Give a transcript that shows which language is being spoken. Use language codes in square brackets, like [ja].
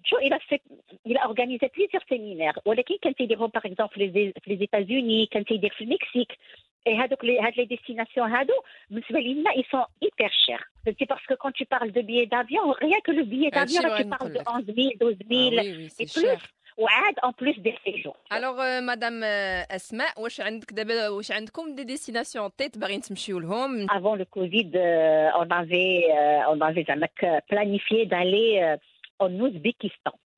[fr] Joe, il a organisé plusieurs séminaires. Quand il y a, par exemple, les États-Unis, quand il y a le Mexique, Et les destinations hado, ils sont hyper chers. C'est parce que quand tu parles de billets d'avion, rien que le billet d'avion, là, tu parles de 11 000, 12 000 et plus. Cher. وعاد en plus des séjours. Alors madame [ar] Asmaa, واش عندك دابا واش عندكم [fr] des destinations en tête [ar] باغي تمشيو لهم? [fr] Avant le Covid, on avait déjà planifié d'aller en Ouzbékistan.